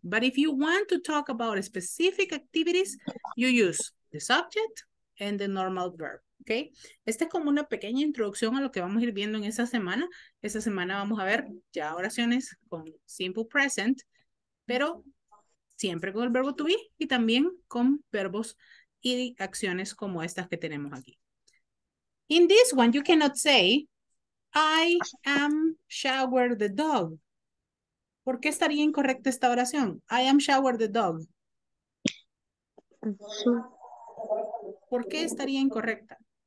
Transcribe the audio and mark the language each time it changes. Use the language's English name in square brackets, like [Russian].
[English] But if you want to talk about specific activities, you use the subject and the normal verb. [Spanish] Okay, esta es como una pequeña introducción a lo que vamos a ir viendo en esa semana. Esa semana vamos a ver ya oraciones con simple present, pero siempre con el verbo to be y también con verbos y acciones como estas que tenemos aquí. [English] In this one, you cannot say, I am shower the dog. [Spanish] ¿Por qué estaría incorrecta esta oración? [English] I am shower the dog. [Spanish] ¿Por qué estaría incorrecta?